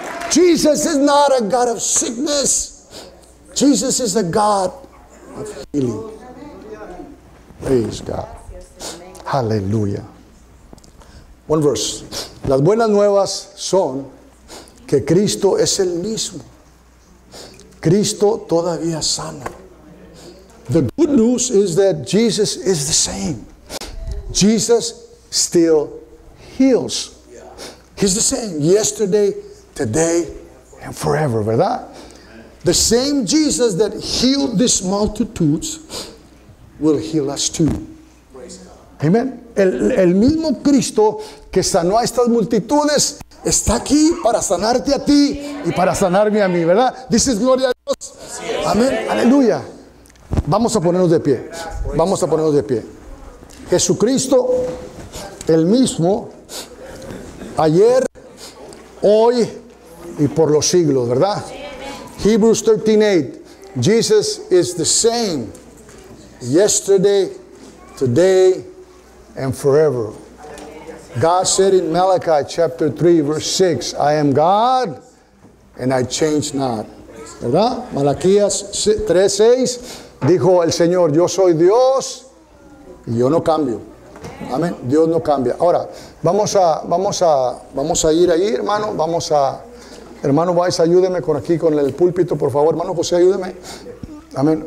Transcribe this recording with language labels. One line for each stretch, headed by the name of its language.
English: Jesus is not a God of sickness, Jesus is a God of healing. Praise God. Aleluya. One verse.
Spanish: Las buenas nuevas son que Cristo es el mismo. Cristo todavía sana.
English: The good news is that Jesus is the same. Jesus still heals. He's the same yesterday, today, and forever, ¿verdad? The same Jesus that healed these multitudes will heal us too. Amen.
Spanish: El mismo Cristo que sanó a estas multitudes está aquí para sanarte a ti y para sanarme a mí, ¿verdad? Dices gloria a Dios. Amén. Aleluya. Vamos a ponernos de pie. Vamos a ponernos de pie. Jesucristo, el mismo, ayer, hoy y por los siglos, ¿verdad?
English: Hebrews 13:8. Jesus is the same yesterday, today, and forever. God said in Malachi chapter 3, verse 6, I am God, and I change not.
Spanish: ¿Verdad? Malaquías 3:6, dijo el Señor, yo soy Dios, y yo no cambio. Amén. Dios no cambia. Ahora, vamos a ir ahí, hermano. Vamos a, hermano Weiss, ayúdeme con aquí, con el púlpito, por favor. Hermano José, ayúdeme. Amén.